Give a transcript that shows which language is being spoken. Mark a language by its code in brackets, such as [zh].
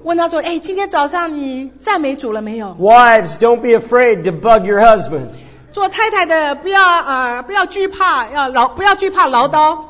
[zh] 问他说, 哎, 今天早上你赞美主了没有? [en] Wives, don't be afraid to bug your husband. [zh] 做太太的不要惧怕唠叨。